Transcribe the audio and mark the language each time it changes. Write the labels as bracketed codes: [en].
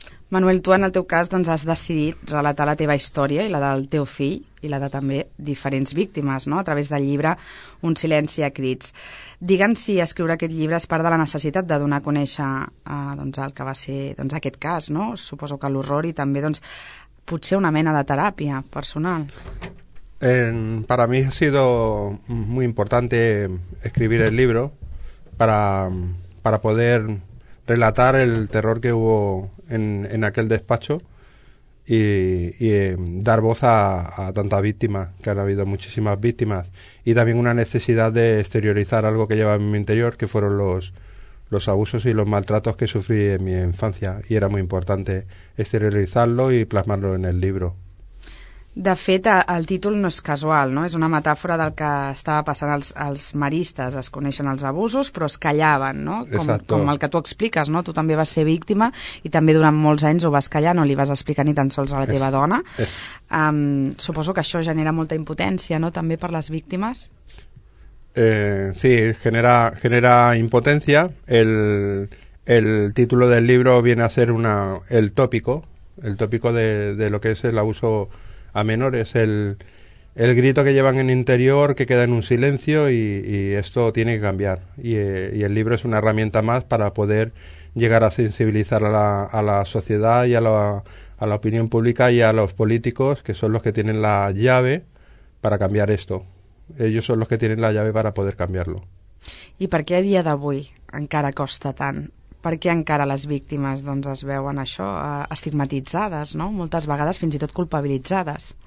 [ca] Manuel, tu en el teu cas doncs, has decidit relatar la teva història i la del teu fill i la de també diferents víctimes, no?, a través del llibre Un silenci a crits. Digue'm si escriure aquest llibre és part de la necessitat de donar a conèixer doncs, el que va ser doncs, aquest cas, no? Suposo que l'horror i també doncs, potser una mena de teràpia personal. [es] Para mí ha sido muy importante escribir el libro para poder relatar el terror que hubo en aquel despacho y dar voz a tantas víctimas, que han habido muchísimas víctimas, y también una necesidad de exteriorizar algo que llevaba en mi interior, que fueron los abusos y los maltratos que sufrí en mi infancia, y era muy importante exteriorizarlo y plasmarlo en el libro. [ca] De fet, el títol no és casual, no? És una metàfora del que estava passant als maristes. Es coneixen els abusos, però es callaven, no? Com el que tu expliques, no? Tu també vas ser víctima i també durant molts anys ho vas callar, no li vas explicar ni tan sols a la teva dona. Suposo que això genera molta impotència, no?, també per les víctimes. Sí, genera impotència. [es] El título del libro viene a ser el tópico de lo que es el abuso a menores, el grito que llevan en interior, que queda en un silencio, y esto tiene que cambiar. Y el libro es una herramienta más para poder llegar a sensibilizar a la sociedad y a la opinión pública y a los políticos, que son los que tienen la llave para cambiar esto. Ellos son los que tienen la llave para poder cambiarlo. ¿Y por qué a día de hoy [ca] encara costa tant? Per què encara les víctimes doncs, es veuen això estigmatitzades, no? Moltes vegades fins i tot culpabilitzades.